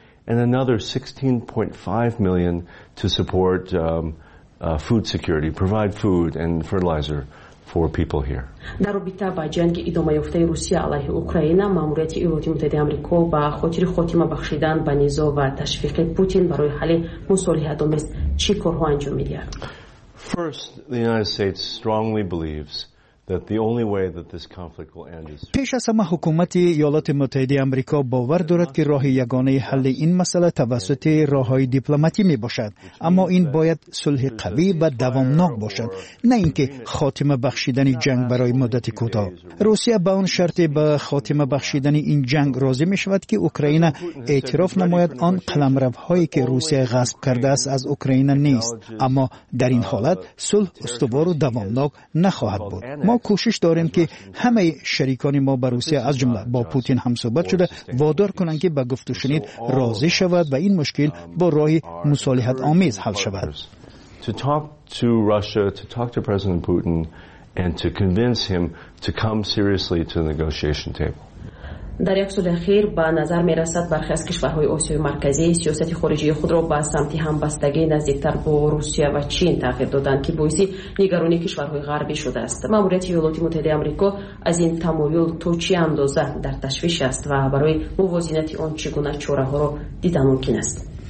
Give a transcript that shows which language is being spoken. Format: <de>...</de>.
<en>And another 16.5 million to support food security, provide food and fertilizer for people here.</en> <fa>در رابطه با جنگ ادامه یافته روسیه علیه اوکراین، ماموریت ایالات متحده آمریکا با خاطر خاتمه بخشیدن به نزاع و تشویق پوتین برای حل مصالحه‌آمیز چی کارها انجام می‌دهد؟</fa> <en>First, the United States strongly believes that the only way that this conflict will end is</en> <fa>پیش از همه حکومت ایالات متحده آمریکا باور دارد که راه یگانه حل این مسئله توسط راه‌های دیپلماتیک میباشد، اما این باید صلح قوی و دوامناک باشد، نه اینکه خاتمه بخشیدن جنگ برای مدت کوتاه. روسیه با آن شرط به خاتمه بخشیدن این جنگ راضی میشود که اوکراین اعتراف نماید آن قلمروهایی که روسیه غصب کرده است از اوکراین نیست، اما در این حالت صلح استوار و دوامناک نخواهد بود. ما کوشش داریم که همه شریکان ما به روسیه از جمله با پوتین هم صحبت شده وادار کنند که به گفت و شنید راضی شود و این مشکل با راه مصالحت آمیز حل شود.</fa> <en>To talk to Russia, to talk to President Putin and to convince him to come seriously to the negotiation table.</en> <fa>در یک سال اخیر به نظر می رسد برخی از کشورهای آسیای مرکزی سیاست خارجی خود را به سمت همبستگی نزدیکتر با روسیه و چین تغییر دادند که باعث نگرانی کشورهای غربی شده است. ماموریت ایالات متحده آمریکا از این تمایل تا چه اندازه در تشویش است و برای موازنت آن چگونه چاره ها را دیدن ممکن است؟</fa>